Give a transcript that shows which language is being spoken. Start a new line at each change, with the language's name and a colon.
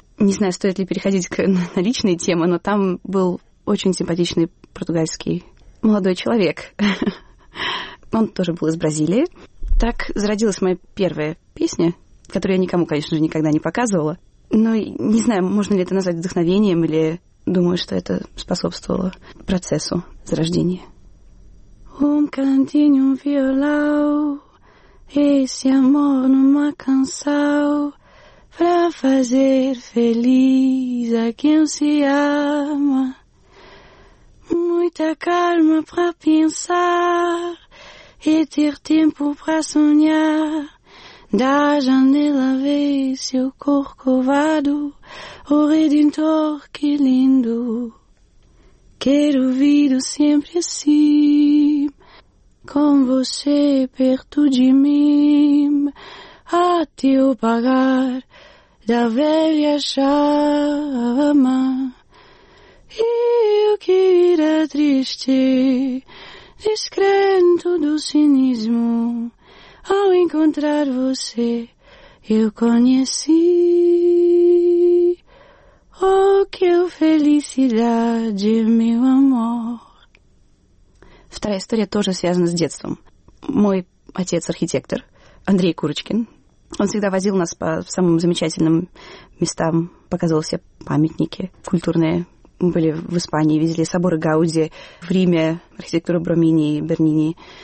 Russian: Не знаю, стоит ли переходить к наличной теме, но там был очень симпатичный португальский молодой человек. Он тоже был из Бразилии. Так зародилась моя первая песня, которую я никому, конечно же, никогда не показывала. Но не знаю, можно ли это назвать вдохновением, или думаю, что это способствовало процессу зарождения.
Portuguese: Um cantinho violão, esse amor numa canção. Pra fazer feliz a quem se ama, muita calma pra pensar e ter tempo pra sonhar. Da janela vê seu corcovado, o redentor, que lindo. Quero vir sempre assim, com você perto de mim, até eu pagar da velha chama. E o que era triste, descrento do cinismo, ao encontrar você, eu conheci. Oh, que felicidade, meu amor.
Russian: Вторая история тоже связана с детством. Мой отец-архитектор, Андрей Курочкин, он всегда возил нас по самым замечательным местам, показывал все памятники культурные. Мы были в Испании, видели соборы Гауди, в Риме архитектуру Бромини и Бернини.